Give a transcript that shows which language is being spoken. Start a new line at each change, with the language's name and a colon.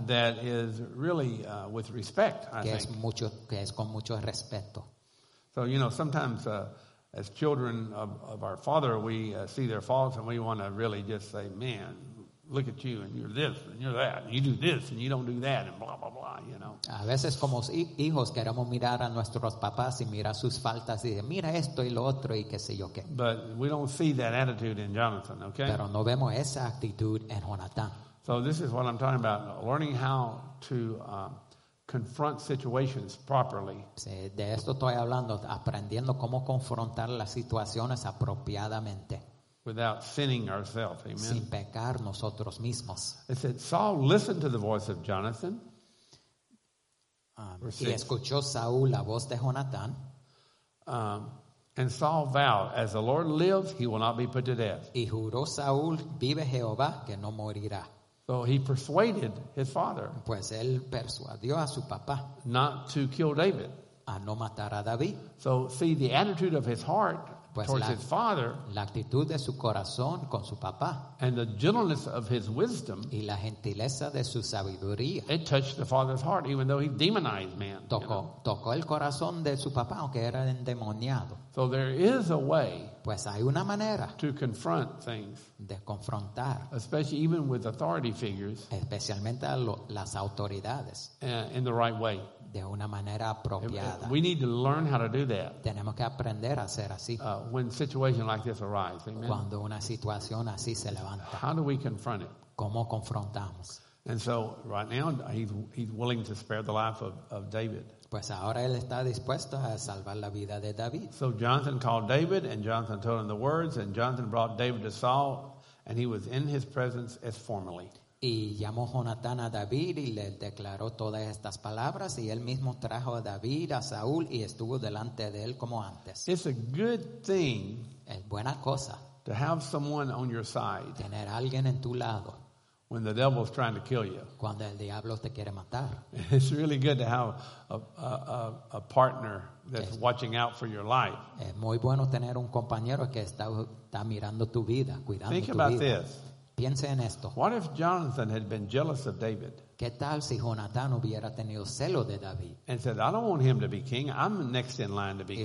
English: That is really with respect, I
Spanish: que
English: think.
Spanish: Que es con mucho respeto.
English: So, you know, sometimes as children of our father, we see their faults and we want to really just say, man, look at you, and you're this, and you're that, and you do this, and you don't do that, and blah, blah, blah, you know.
Spanish: A veces como hijos queremos mirar a nuestros papás y mirar sus faltas y decir, mira esto y lo otro y qué sé yo qué.
English: But we don't see that attitude in Jonathan, okay?
Spanish: Pero no vemos esa actitud en Jonathan.
English: So this is what I'm talking about, learning how to confront situations properly.
Spanish: Sí, de esto estoy hablando, aprendiendo cómo confrontar las situaciones apropiadamente.
English: Without sinning ourselves, amen.
Spanish: Sin pecar nosotros mismos.
English: It said, Saul listened to the voice of Jonathan.
Spanish: Y escuchó Saúl la voz de Jonathan.
English: And Saul vowed, as the Lord lives, he will not be put to death.
Spanish: Y juró Saúl, vive Jehová, que no morirá.
English: So he persuaded his father.
Spanish: Pues él persuadió a su papá.
English: Not to kill David.
Spanish: A no matar a David.
English: So see, the attitude of his heart
Spanish: pues
English: towards his father,
Spanish: la actitud de su corazón con su papá,
English: and the gentleness of his wisdom,
Spanish: y la gentileza de su sabiduría,
English: it touched the father's heart, even though he demonized man.
Spanish: Tocó el corazón de su papá, aunque era endemoniado.
English: So there is a way,
Spanish: pues hay una manera,
English: to confront things,
Spanish: de confrontar,
English: especially even with authority figures,
Spanish: especialmente a las autoridades,
English: in the right way.
Spanish: De una manera apropiada.
English: We need to learn how to do that.
Spanish: Tenemos que aprender a hacer así.
English: When situations like this arise, amen.
Spanish: Cuando una situación así se levanta.
English: How do we confront it?
Spanish: ¿Cómo confrontamos?
English: And so, right now, he's willing to spare the life of David.
Spanish: Pues ahora él está dispuesto a salvar la vida de David.
English: So Jonathan called David, and Jonathan told him the words, and Jonathan brought David to Saul, and he was in his presence as formerly.
Spanish: Y llamó Jonatán a David y le declaró todas estas palabras y él mismo trajo a David, a Saúl y estuvo delante de él como antes.
English: It's a good thing,
Spanish: es buena cosa,
English: to have someone on your side,
Spanish: tener alguien en tu lado,
English: when the devil is trying to kill you.
Spanish: Cuando el diablo te quiere matar.
English: It's really good to have a partner that's watching out for your life.
Spanish: Es muy bueno tener un compañero que está mirando tu vida, cuidando
English: Think
Spanish: tu
English: about
Spanish: vida.
English: This.
Spanish: Piense en esto.
English: What if Jonathan had been jealous of David?
Spanish: ¿Qué tal si Jonathan hubiera tenido celo de David?
English: And said, I don't want him to be king. I'm next in line to be king.